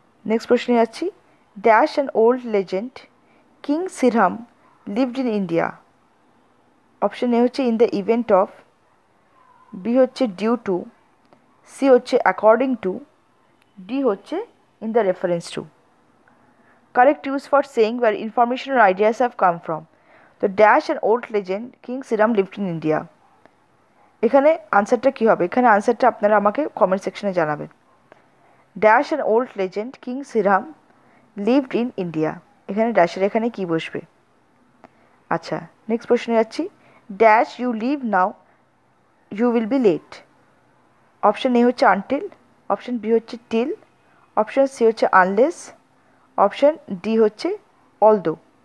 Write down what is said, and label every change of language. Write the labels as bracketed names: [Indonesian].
[Bangla] Next প্রশ্নে যাচ্ছি, [English] Dash an old legend king Sirham lived in India. [Bangla] Option A হচ্ছে in the event of, B হচ্ছে due to, C হচ্ছে according to, D হচ্ছে in the reference to. [English] Correct use for saying where information or ideas have come from. The dash and old legend King Sriram lived in India. [Bangla] এখানে আনসারটা কি হবে? এখানে আনসারটা আপনারা আমাকে কমেন্ট সেকশনে জানাবেন. [English] Dash an old legend king Siram lived in India. [Bangla] এখানে ড্যাশের এখানে কি বসবে? আচ্ছা, নেক্সট প্রশ্নে যাচ্ছি. [English] Dash you leave now you will be late. [Bangla] Option A হচ্ছে আনটিল, অপশন বি হচ্ছে টিল, অপশন সি হচ্ছে আনলেস, অপশন ডি হচ্ছে অলদো.